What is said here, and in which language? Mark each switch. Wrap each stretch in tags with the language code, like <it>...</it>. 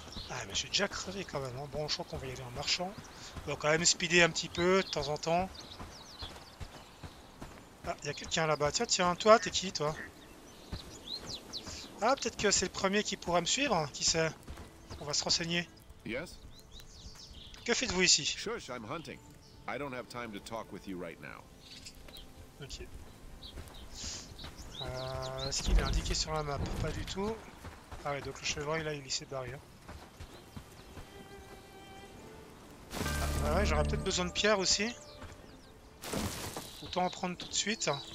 <fr>Ah, mais j'ai déjà crevé quand même, hein. Bon, je crois qu'on va y aller en marchant. On va quand même speeder un petit peu, de temps en temps. Ah, il y a quelqu'un là-bas. Tiens, tiens, toi, t'es qui, toi? Ah, peut-être que c'est le premier qui pourra me suivre, hein, qui sait? On va se renseigner.</fr> <en>Yes.</en> <fr>Que faites-vous ici?</fr> <en>Shush, I'm hunting. I don't have time to talk with you right now. Ok.</en> <fr>Est-ce qu'il est indiqué sur la map? Pas du tout. Ah ouais, donc le chevreuil là, il s'est barré. Hein. Ah ouais, j'aurais peut-être besoin de pierre aussi. Autant en prendre tout de suite.</fr>